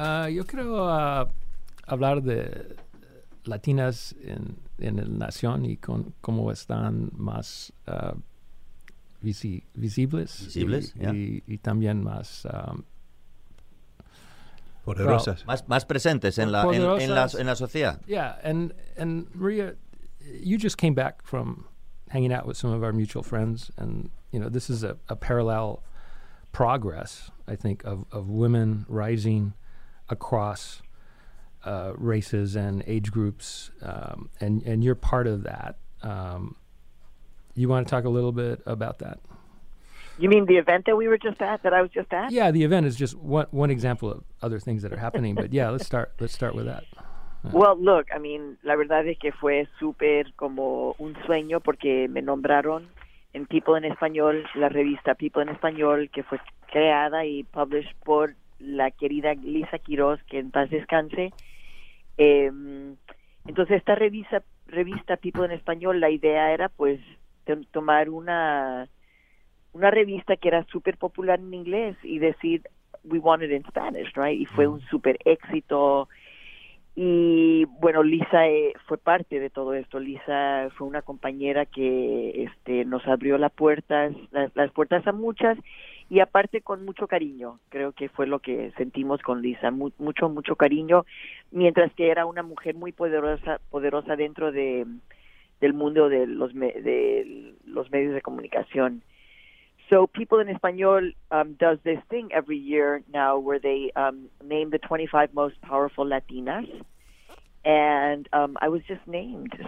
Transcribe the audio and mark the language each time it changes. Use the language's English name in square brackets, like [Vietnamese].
[Spanish] Yo quiero hablar de latinas en la nación y con cómo están más visibles. ¿Visibles? Y también más... poderosas. Bueno, más presentes en la, en la sociedad. [English] Yeah, and Maria, you just came back from hanging out with some of our mutual friends, and you know, this is a parallel progress, I think, of women rising across races and age groups, and you're part of that. You want to talk a little bit about that? You mean the event that we were just at, that I was just at? Yeah, the event is just one example of other things that are happening, but yeah, let's start with that. Well, look, I mean, [Spanish] la verdad es que fue súper como un sueño porque me nombraron en People en Español, la revista People en Español, que fue creada y published por la querida Lisa Quiroz, que en paz descanse. Entonces, esta revista People en Español, la idea era, pues, tomar una una revista que era súper popular en inglés y decir, [English] we want it in Spanish, right? [Spanish] Y fue un súper éxito. Y bueno, Lisa fue parte de todo esto. Lisa fue una compañera que nos abrió las puertas a muchas. Y aparte con mucho cariño, creo que fue lo que sentimos con Lisa, mucho cariño, mientras que era una mujer muy poderosa dentro del mundo de los medios de comunicación. [English] So People in Español does this thing every year now where they name the 25 most powerful Latinas, and I was just named.